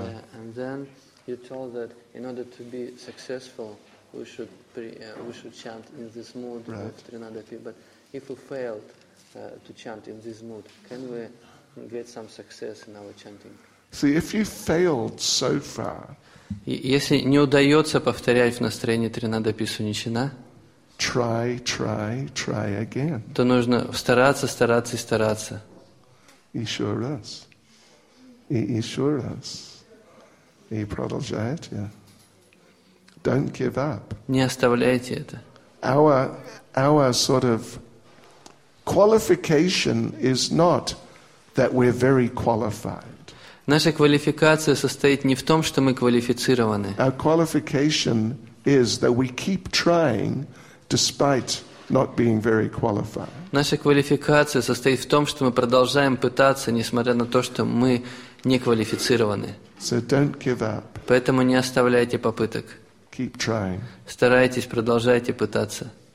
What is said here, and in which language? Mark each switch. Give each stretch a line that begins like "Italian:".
English: Yeah, and then you told that in order to be successful we should chant in this mood right. of Trinadapi. But if we failed to chant in this mood, can we get some success in our chanting? See, if you failed so far,
Russian: если не удается повторять в настроении Тринадапи Суничина,
English: Try again.
Russian: То нужно стараться и стараться. Еще раз. И еще раз. И продолжайте.
English: Don't give up.
Russian: Не оставляйте это.
English: Our sort of qualification is not that we're very qualified.
Russian: Наша квалификация состоит не в том, что мы квалифицированы.
English: Our qualification is that we keep trying despite not being very qualified.
Russian: Наша квалификация состоит в том, что мы продолжаем пытаться, несмотря на то, что мы не квалифицированы.
English: So don't give up.
Russian: Поэтому не оставляйте попыток.
English: Keep trying.
Russian: Старайтесь, продолжайте пытаться.